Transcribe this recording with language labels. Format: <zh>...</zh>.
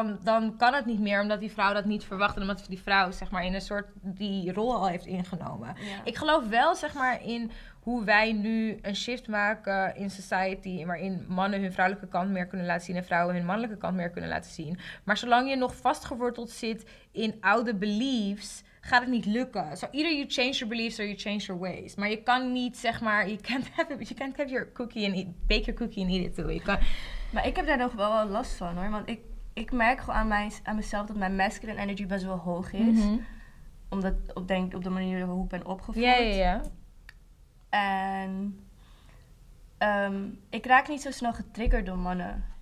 <nl>Dan kan het niet meer, omdat die vrouw dat niet verwacht. En omdat die vrouw, zeg maar, in een soort die rol al heeft ingenomen. Ja. Ik geloof wel, zeg maar, in hoe wij nu een shift maken in society. Waarin mannen hun vrouwelijke kant meer kunnen laten zien. En vrouwen hun mannelijke kant meer kunnen laten zien. Maar zolang je nog vastgeworteld zit in oude beliefs, gaat het niet lukken.</nl> <en>So either you change your beliefs or you change your ways.</en> <nl>Maar je kan niet, zeg maar,</nl> <en>you can't have your cookie and bake your cookie and eat it too.</en> <nl>Maar ik heb daar nog wel last van, hoor. Want ik merk gewoon aan mezelf dat mijn masculine energy best wel hoog is. Mm-hmm. Omdat op de manier hoe ik ben opgevoed. Ja. En ik raak niet zo snel getriggerd door mannen.</nl>